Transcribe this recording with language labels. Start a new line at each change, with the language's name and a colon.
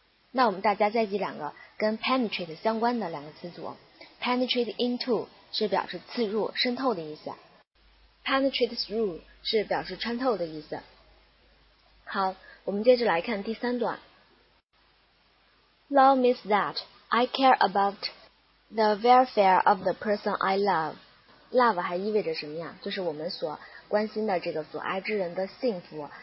Chinese: 那我们大家再记两个跟 penetrate 相关的两个词组。
English: Penetrate into
Chinese: 是表示刺入、渗透的意思，
English: Penetrate through
Chinese: 是表示穿透的意思。好，我们接着来看第三段。
English: Love means that I care about the welfare of the person I love。
Chinese: Love 还意味着什么呀？就是我们所关心的这个所爱之人的幸福。